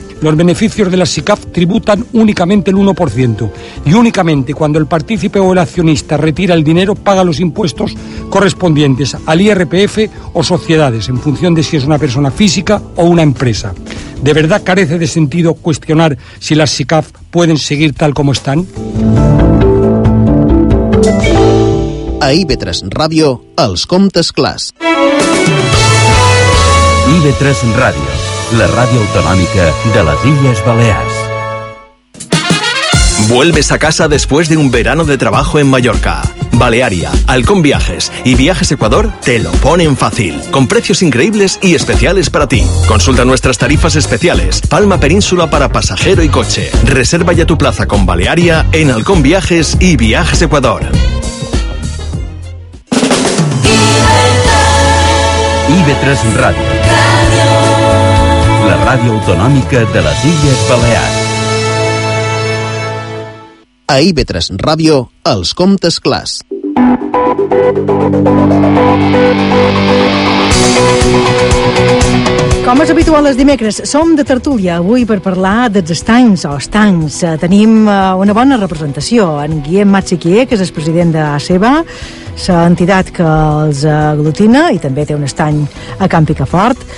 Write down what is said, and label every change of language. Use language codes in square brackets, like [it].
[es] Los beneficios de las SICAF tributan únicamente el 1% y únicamente cuando el partícipe o el accionista retira el dinero paga los impuestos correspondientes al IRPF o sociedades en función de si es una persona física o una empresa. ¿De verdad carece de sentido cuestionar si las SICAF pueden seguir tal como están? [ca] A IB3 Radio, els comptes clars. [es] IB3 Radio, la radio autonómica de las Islas Baleares. Vuelves a casa después de un verano de trabajo en Mallorca. Balearia, Halcón Viajes y Viajes Ecuador te lo ponen fácil, con precios increíbles y especiales para ti. Consulta nuestras tarifas especiales, Palma Península para pasajero y coche. Reserva ya tu plaza con Balearia en Halcón Viajes y Viajes Ecuador. IB3 Radio, la radio autonómica de las Islas Baleares. [ca] A IB3 Radio, els comptes clars. Com és habitual els dimecres, som de tertúlia avui per parlar dels estanys o estancs. Tenim una bona representació. En Guillem Matxiquier, que és el president de ASEBA, l'entitat que els aglutina i també té un estany a Can Picafort.